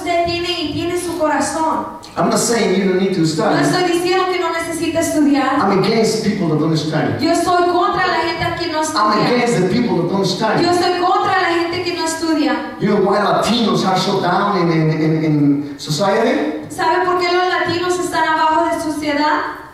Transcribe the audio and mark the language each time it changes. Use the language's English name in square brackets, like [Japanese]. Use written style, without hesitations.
[English] I'm not saying you don't need to study. [Spanish] No estoy diciendo que no necesites estudiar. [English] I'm against people that don't study. [Spanish] Yo estoy contra la gente que no estudia. [English] I'm against the people that don't study. [Spanish] Yo estoy contra la gente que no estudia. [English] You know why Latinos are so down in society? [Spanish] ¿Sabe por qué los latinos están abajo de sociedad?